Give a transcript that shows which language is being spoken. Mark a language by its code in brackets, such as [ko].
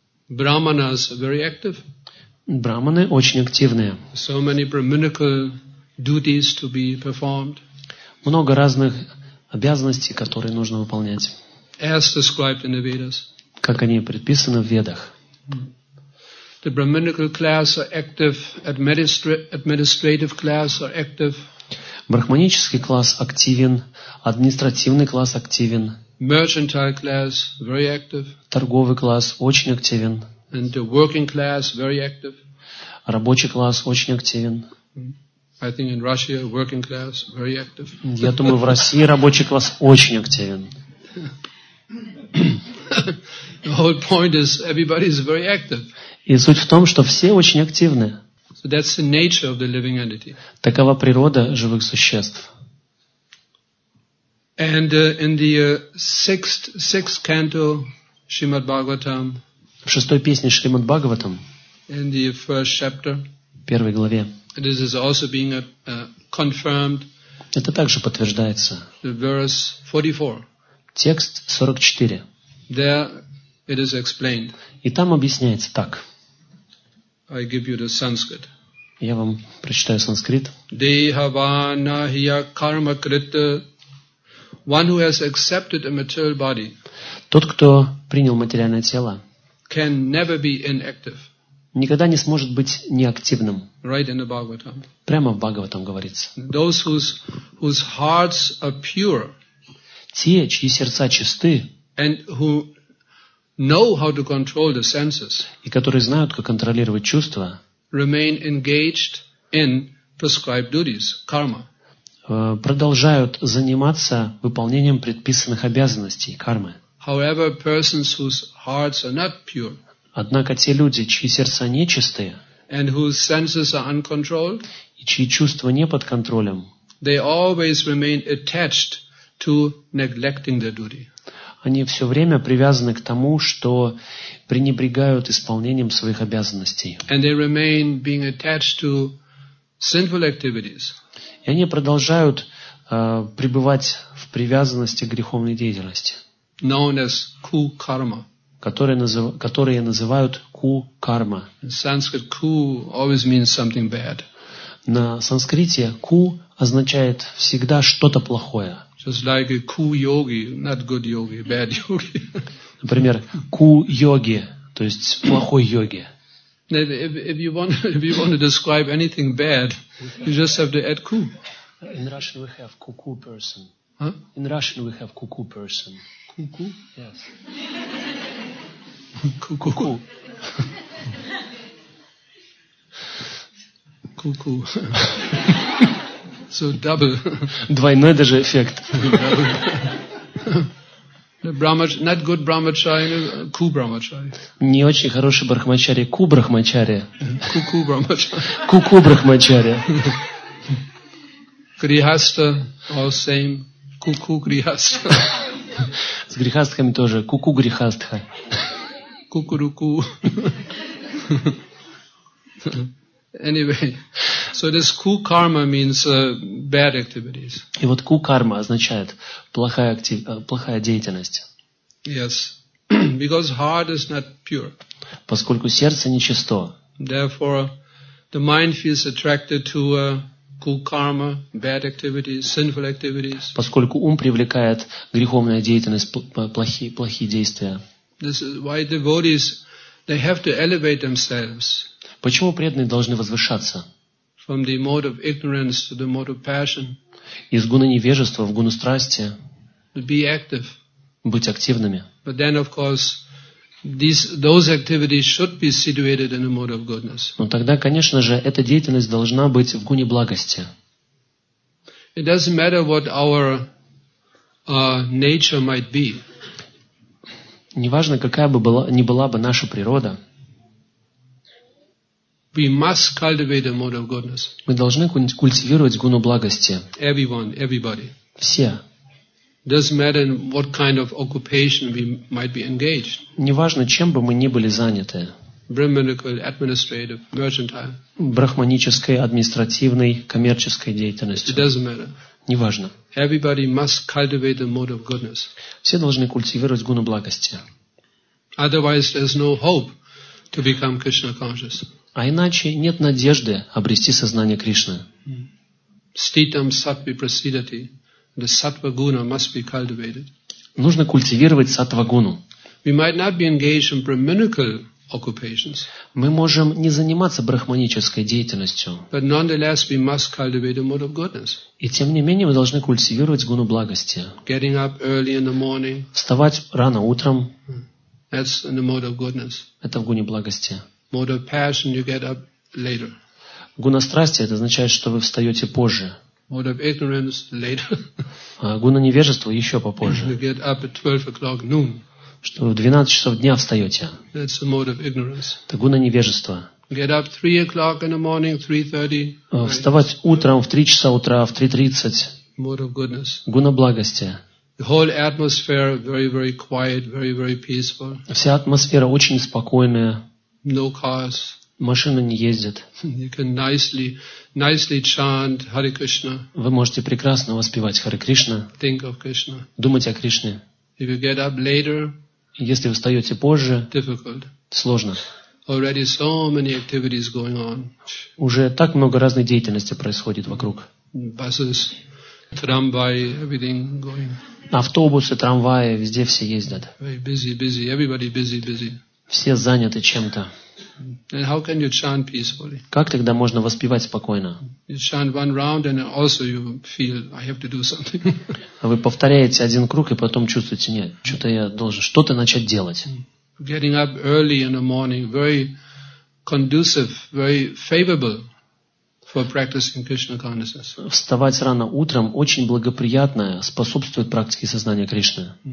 [en] Brahmanas very active. [ru] Брахманы очень активные. [en] So many brahminical duties to be performed. [ru] Много разных обязанностей, которые нужно выполнять. [en] As described in the Vedas. [ru] Как они предписаны в Ведах. [en] The brahminical class are active, administrative class are active. [ru] Брахманический класс активен, административный класс активен. [en] Merchantile class very active. [ru] Торговый класс очень активен. [en] And the working class very active. [ru] Рабочий класс очень активен. [en] I think in Russia working class very active. [ru] Я думаю, в России рабочий класс очень активен. [en] The whole point is everybody is very active. [ru] И суть в том, что все очень активны. [en] So that's the nature of the living entity. [ru] Такова природа живых существ. [en] And in the sixth canto Shrimad Bhagavatam. [ru] В шестой песне Шримад Бхагаватам. [en] In the first chapter. [ru] В первой главе. [en] This is also being confirmed. [ru] Это также подтверждается. [en] The verse 44. [ru] Текст 44. [en] There it is explained. [ru] И там объясняется так. [en] I give you the Sanskrit. [ru] Я вам прочитаю санскрит. [sa] Dehavana hiya karma krita. [en] One who has accepted a material body, [ru] тот, кто принял материальное тело, [en] can never be inactive. [ru] Никогда не сможет быть неактивным. [en] Right in the Bhagavatam. [ru] Прямо в Бхагаватам говорится. [en] Those whose hearts are pure, [ru] те, чьи сердца чисты, [en] and who know how to control the senses, [ru] и которые знают, как контролировать чувства, [en] remain engaged in prescribed duties, karma. [ru] Продолжают заниматься выполнением предписанных обязанностей, кармы. [en] However, persons whose hearts are not pure, [ru] однако те люди, чьи сердца нечистые, [en] and whose senses are uncontrolled, [ru] и чьи чувства не под контролем, [en] they always remain attached to neglecting their duty. [ru] Они все время привязаны к тому, что пренебрегают исполнением своих обязанностей. [en] And they remain being attached to sinful activities. [ru] И они продолжают пребывать в привязанности к греховной деятельности, [en] known as ku karma, [ru] которые называют ku karma. [en] In Sanskrit, ku always means something bad. [ru] На санскрите ку означает всегда что-то плохое. [en] Just like a ку-йоги, not good yogi, bad yogi. [ru] Например, ку-йоги, то есть плохой йоги. [en] If you want to describe anything bad, you just have to add ку. In Russian we have ку-ку person. Huh? In Russian we have ку-ку person. [ru] Ку-ку? [en] Yes. Ку-ку-ку. Ку-ку. So double. [ru] Двойной даже эффект. [en] Not good brahmacharya, ку brahmacharya. [ru] Не очень хороший брахмачарья, ку брахмачарья. Ку-ку брахмачарья. Ку-ку брахмачарья. [en] Грихаста, all same. Ку-ку грихаста. [ru] С грихастхами тоже. Ку-ку грихастха. Ку-ку-ру-ку. [en] Anyway, so this ku karma means bad activities. [ru] И вот ку карма означает плохая плохая деятельность. [en] Yes, because heart is not pure. [ru] Поскольку сердце нечисто. [en] Therefore, the mind feels attracted to ku karma, bad activities, sinful activities. [ru] Поскольку ум привлекает греховная деятельность, плохие действия. [en] This is why devotees they have to elevate themselves. [ru] Почему преданные должны возвышаться? [en] From the mode of ignorance to the mode of passion. [ru] Из гуны невежества в гуну страсти. [en] To be active. [ru] Быть активными. [en] But then, of course, those activities should be situated in the mode of goodness. [ru] Но тогда, конечно же, эта деятельность должна быть в гуне благости. [en] It doesn't matter what our nature might be. [ru] Неважно, какая бы была, ни была бы наша природа. [en] We must cultivate a mode of goodness. [ru] Мы должны культивировать гуну благости. [en] Everyone, everybody. [ru] Все. [en] Doesn't matter what kind of occupation we might be engaged. [ru] Неважно, чем бы мы ни были заняты. [en] Brahmanical, administrative, mercantile. [ru] Брахманической, административной, коммерческой деятельностью. [en] It doesn't matter. [ru] Неважно. [en] Everybody must cultivate a mode of goodness. [ru] Все должны культивировать гуну благости. [en] Otherwise, there's no hope to become Krishna conscious. [ru] А иначе нет надежды обрести сознание Кришны. [sa] Sthitam sattva prasidati. [en] The sattva guna must be cultivated. [ru] Нужно культивировать саттва гуну. [en] We might not be engaged in brahminical occupations. [ru] Мы можем не заниматься брахманической деятельностью. [en] But nonetheless, we must cultivate a mode of goodness. [ru] И тем не менее мы должны культивировать гуну благости. [en] Getting up early in the morning. [ru] Вставать рано утром. [en] That's in the mode of goodness. [ru] Это в гуне благости. [en] Mode of passion, you get up later. [ru] Гуна страсти это означает, что вы встаете позже. [en] Mode of ignorance later. [ru] Гуна невежества еще попозже. [en] You get up at 12 o'clock noon. [ru] Что вы в 12 часов дня встаете. [en] That's a mode of ignorance. [ru] Это гуна невежества. [en] Get up 3 o'clock in the morning, 3:30. [ru] Вставать утром в 3 часа утра, в 3:30. [en] Mode of goodness. [ru] Гуна благости. [en] The whole atmosphere very very quiet, very very peaceful. [ru] Вся атмосфера очень спокойная. [en] No cars. [ru] Машина не ездит. [en] You can nicely chant Hare Krishna. [ru] Вы можете прекрасно воспевать Харе Кришна. [en] Think of Krishna. [ru] Думать о Кришне. [en] If you get up later, [ru] если вы встаете позже, [en] difficult. [ru] Сложно. [en] Already so many activities going on. [ru] Уже так много разной деятельности происходит вокруг. [en] Buses, трамваи, everything going. [ru] Автобусы, трамваи, везде все ездят. [en] Very busy, busy. Everybody busy, busy. [ru] Все заняты чем-то. [en] And how can you chant peacefully? [ru] Как тогда можно воспевать спокойно? [en] You chant one round, and also you feel I have to do something. [ru] Вы повторяете один круг и потом чувствуете, нет, что-то я должен, что-то начать делать. [en] Getting up early in the morning, very conducive, very favorable for practicing Krishna consciousness. [ru] Вставать рано утром очень благоприятно способствует практике сознания Кришны.